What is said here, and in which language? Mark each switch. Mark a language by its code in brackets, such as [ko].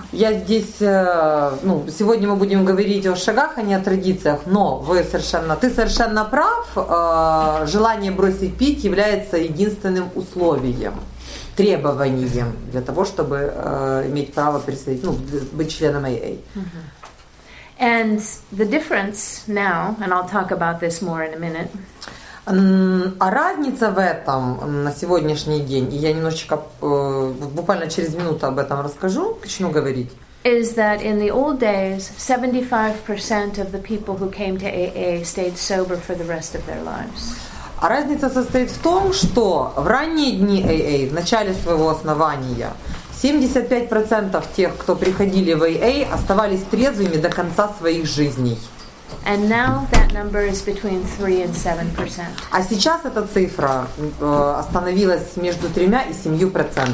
[ru] Я здесь, ну, сегодня мы будем говорить о шагах, а не о традициях, но вы совершенно, ты совершенно прав, желание бросить пить является единственным условием, требованием для того, чтобы иметь право присоединить, ну, быть членом AA. [en] And the difference now, and I'll talk about this more in a minute. [ru] А разница в этом на сегодняшний день, и я немножечко, буквально через минуту об этом расскажу, начну говорить. [en] Is that in the old days, 75% of the people who came to AA stayed sober for the rest of their lives. [ru] А разница состоит в том, что в ранние дни AA, в начале своего основания, 75% тех, кто приходили в AA, оставались трезвыми до конца своих жизней. [en] And now that number is between 3 and 7%. [ru] А сейчас эта цифра остановилась между 3 и 7%.